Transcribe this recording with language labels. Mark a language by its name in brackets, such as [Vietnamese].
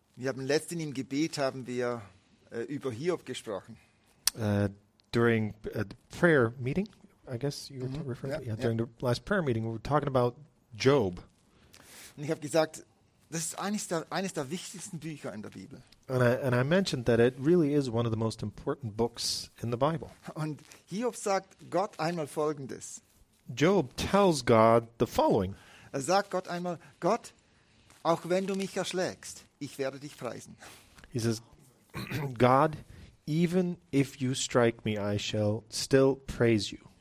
[German] Wir haben letztens im Gebet haben wir über Hiob gesprochen. [English] During the prayer meeting, I guess you were referring to. Yeah, during the last prayer meeting, we were talking about Job. [German] Und ich habe gesagt, das ist eines der wichtigsten Bücher in der Bibel. [English] And I mentioned that it really is one of the most important books in the Bible. [German] Und Hiob sagt Gott einmal Folgendes. [English] Job tells God the following. [German] Er sagt Gott einmal, Gott, auch wenn du mich erschlägst, ich werde dich preisen. [English] He says, God, even if you strike me, I shall still praise you.